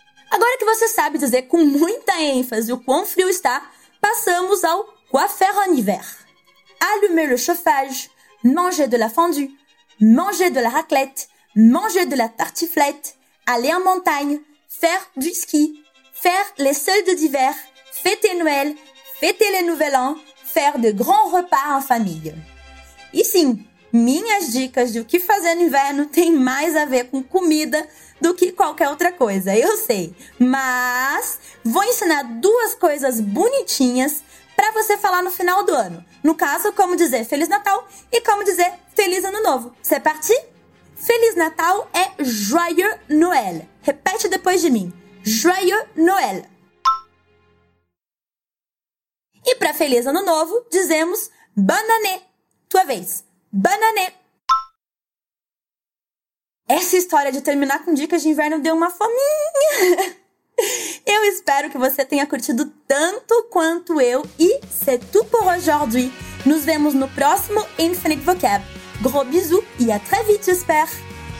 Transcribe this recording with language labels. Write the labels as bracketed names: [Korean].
[Portuguese] Agora que você sabe dizer com muita ênfase o quão frio está, passamos ao [French] quoi faire en hiver. Allumer le chauffage, manger de la fondue, manger de la raclette, manger de la tartiflette, aller en montagne, faire du ski, faire les soldes d'hiver, fêter Noël, fêter le nouvel an, faire de grands repas en famille. [Portuguese] E sim, minhas dicas de o que fazer no inverno tem mais a ver com comida do que qualquer outra coisa, eu sei. Mas vou ensinar 2 coisas bonitinhas para você falar no final do ano. No caso, como dizer Feliz Natal e como dizer Feliz Ano Novo. [French] C'est parti? [Portuguese] Feliz Natal é [French] Joyeux Noël. [Portuguese] Repete depois de mim. [French] Joyeux Noël. [Portuguese] E para Feliz Ano Novo, dizemos [French] Bonne année. [Portuguese] Tua vez. Bonne année. Essa história de terminar com dicas de inverno deu uma fominha. Eu espero que você tenha curtido tanto quanto eu. [French] E c'est tout pour aujourd'hui. [Portuguese] Nos vemos no próximo [French] Infinite Vocab. Gros bisous e à très vite, j'espère.